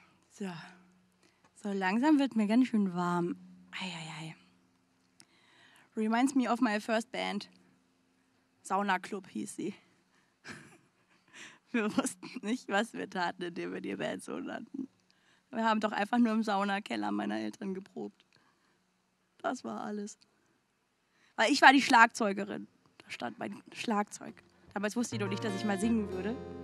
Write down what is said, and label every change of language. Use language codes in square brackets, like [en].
[de] So, so langsam wird mir ganz schön warm. Eieiei. [en] Reminds me of my first band. [de] Sauna Club hieß sie. Wir wussten nicht, was wir taten, indem wir die Band so nannten. Wir haben doch einfach nur im Saunakeller meiner Eltern geprobt. Das war alles. Weil ich war die Schlagzeugerin. Da stand mein Schlagzeug. Damals wusste ich noch nicht, dass ich mal singen würde.